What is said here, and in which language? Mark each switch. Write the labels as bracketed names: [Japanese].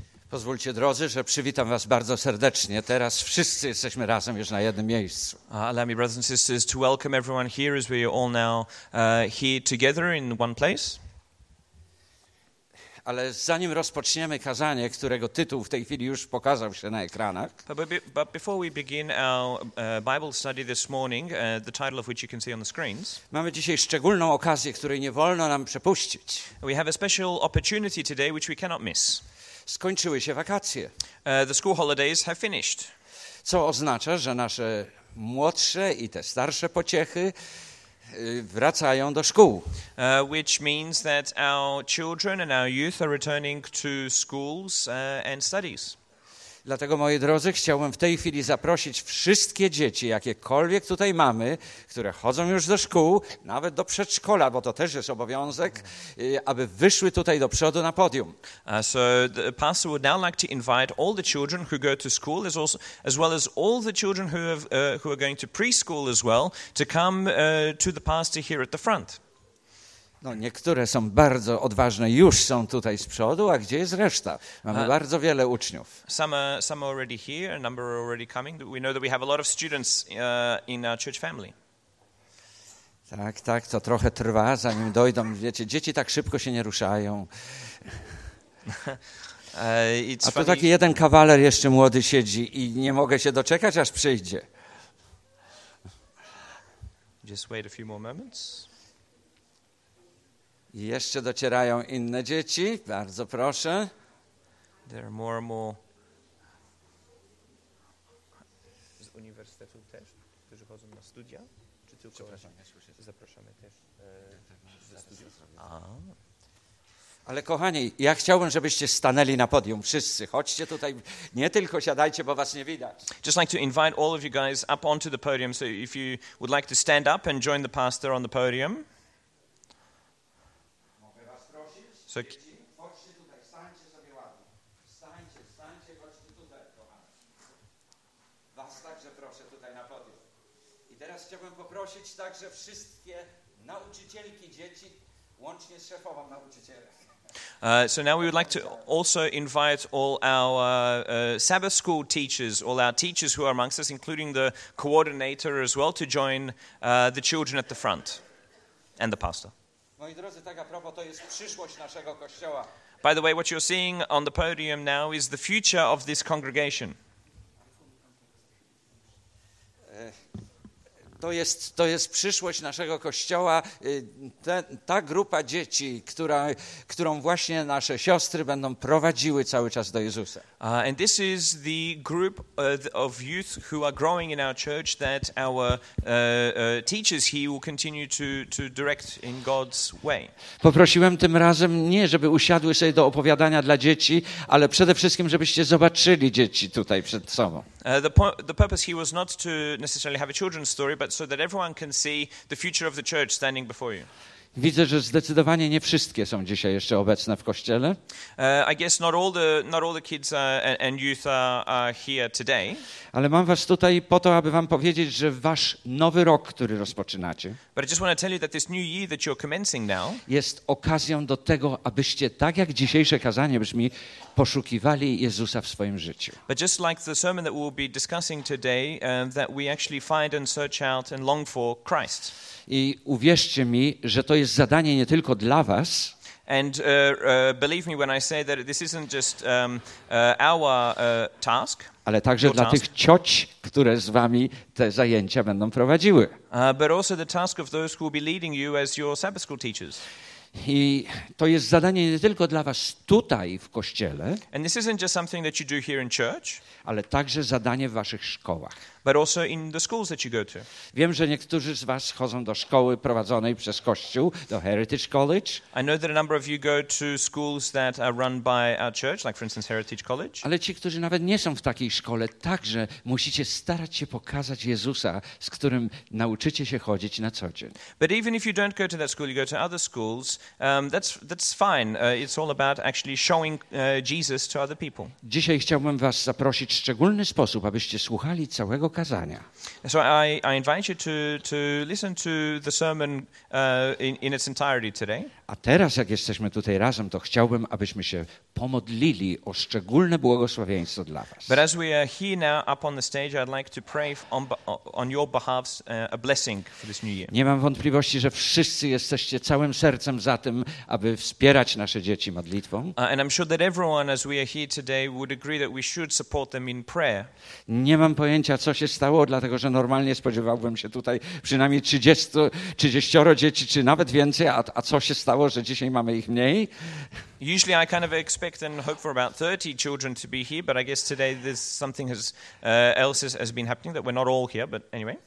[Polish] Pozwólcie, drodzy, że przywitam was bardzo serdecznie. Teraz wszyscy jesteśmy razem już na jednym miejscu. [English] Allow me, brothers and sisters, to welcome everyone here as we are all now here together in one place. [Polish] Ale zanim rozpoczniemy kazanie, którego tytuł w tej chwili już pokazał się na ekranach. [English] But before we begin our Bible study this morning, the title of which you can see on the screens. [Polish] Mamy dzisiaj szczególną okazję, której nie wolno nam przepuścić. [English] We have a special opportunity today which we cannot miss. [Polish] Skończyły się wakacje. [English] The school holidays have finished. [Polish] Co oznacza, że nasze młodsze i te starsze pociechy wracają do szkół. [English] Which means that our children and our youth are returning to schools and studies. [Polish] Dlatego, moi drodzy, chciałbym w tej chwili zaprosić wszystkie dzieci, jakiekolwiek tutaj mamy, które chodzą już do szkół, nawet do przedszkola, bo to też jest obowiązek, aby wyszły tutaj do przodu na podium. [English] So the pastor would now like to invite all the children who go to school, as well as all the children who are going to preschool as well, to come to the pastor here at the front. [Polish] No, niektóre są bardzo odważne, już są tutaj z przodu, a gdzie jest reszta? Mamy bardzo wiele uczniów. [English] Some are already here, a number are already coming. We know that we have a lot of students in our church family. [Polish] Tak, tak, to trochę trwa, zanim dojdą. Wiecie, dzieci tak szybko się nie ruszają. [English] It's [Polish] a tu taki jeden kawaler jeszcze młody siedzi i nie mogę się doczekać, aż przyjdzie. [English] Just wait a few more moments. [Polish] Jeszcze docierają inne dzieci. Bardzo proszę. [English] There are more and more. [Polish] Z uniwersytetu też, którzy chodzą na studia? Czy tylko zapraszamy też ze studiów? Ale kochani, ja chciałbym, żebyście stanęli na podium wszyscy. Chodźcie tutaj, nie tylko siadajcie, bo was nie widać. [English] Just like to invite all of you guys up onto the podium. So if you would like to stand up and join the pastor on the podium. [Polish] So, chodźcie tutaj, stańcie sobie ładnie. Stańcie, chodźcie tutaj, kochani. Was także proszę tutaj na podium. I teraz chciałbym poprosić także wszystkie nauczycielki dzieci, łącznie z szefową nauczycielek. [English] So now we would like to also invite all our Sabbath school teachers, all our teachers who are amongst us, including the coordinator as well, to join the children at the front and the pastor. [Polish] Moi drodzy, tak a propos, to jest przyszłość naszego kościoła. [English] By the way, what you're seeing on the podium now is the future of this congregation. [Polish] To jest przyszłość naszego kościoła. Ta grupa dzieci, którą właśnie nasze siostry będą prowadziły cały czas do Jezusa. [English] And this is the group of youth who are growing in our church that our teachers here will continue to direct in God's way. [Polish] Poprosiłem tym razem nie, żeby usiadły sobie do opowiadania dla dzieci, ale przede wszystkim, żebyście zobaczyli dzieci tutaj przed sobą. [English] The purpose here was not to necessarily have a children's story, but so that everyone can see the future of the church standing before you. [Polish] Widzę, że zdecydowanie nie wszystkie są dzisiaj jeszcze obecne w kościele. [English] I guess not all the kids and youth are here today. [Polish] Ale mam was tutaj po to, aby wam powiedzieć, że wasz nowy rok, który rozpoczynacie, [English] but I just want to tell you that this new year that you're commencing now, [Polish] jest okazją do tego, abyście, tak jak dzisiejsze kazanie brzmi, poszukiwali Jezusa w swoim życiu. [English] But just like the sermon that we'll be discussing today, that we actually find and search out and long for Christ. [Polish] I uwierzcie mi, że to jest zadanie nie tylko dla was. [English] And believe me when I say that this isn't just our task. [Polish] Ale także dla tych cioć, które z wami te zajęcia będą prowadziły. [English] But also the task of those who will be leading you as your Sabbath school teachers. [Polish] I to jest zadanie nie tylko dla was tutaj w kościele. [English] And this isn't just something that you do here in church. [Polish] Ale także zadanie w waszych szkołach. [English] But also in the schools that you go to. [Polish] Wiem, że niektórzy z was chodzą do szkoły prowadzonej przez kościół, do Heritage College. [English] I know that a number of you go to schools that are run by our church, like for instance Heritage College. [Polish] Ale ci, którzy nawet nie są w takiej szkole, także musicie starać się pokazać Jezusa, z którym nauczycie się chodzić na co dzień. [English] But even if you don't go to that school, you go to other schools, that's fine. It's all about actually showing Jesus to other people. [Polish] Dzisiaj chciałbym was zaprosić w szczególny sposób, abyście słuchali całego kazania. [English] So I invite you to listen to the sermon in its entirety today. [Polish] A teraz, jak jesteśmy tutaj razem, to chciałbym, abyśmy się pomodlili o szczególne błogosławieństwo dla was. [English] But as we are here now up on the stage, I'd like to pray on your behalf a blessing for this new year. [Polish] Nie mam wątpliwości, że wszyscy jesteście całym sercem za tym, aby wspierać nasze dzieci modlitwą. [English] And I'm sure that everyone, as we are here today, would agree that we should support them in prayer. [Polish] Nie mam pojęcia, co się stało, dlatego że normalnie spodziewałbym się tutaj przynajmniej 30 dzieci, czy nawet więcej, a co się stało, że dzisiaj mamy ich mniej. [English] Usually I kind of expect and hope for about 30 children to be here, but I guess today there's something else has been happening that we're not all here, but anyway.